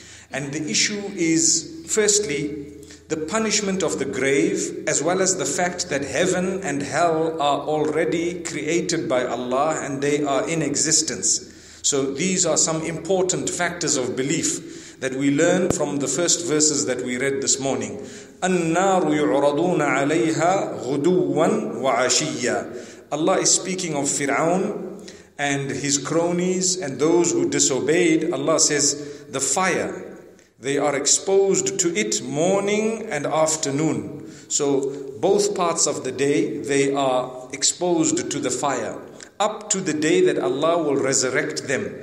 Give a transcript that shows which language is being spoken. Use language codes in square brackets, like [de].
[en] And the issue is, firstly, the punishment of the grave, as well as the fact that heaven and hell are already created by Allah and they are in existence. So these are some important factors of belief that we learn from the first verses that we read this morning. [ar] النار يعرضون عليها غدوا وعشيا. [en] Allah is speaking of Fir'aun and his cronies and those who disobeyed. Allah says, the fire, they are exposed to it morning and afternoon. So both parts of the day, they are exposed to the fire, up to the day that Allah will resurrect them.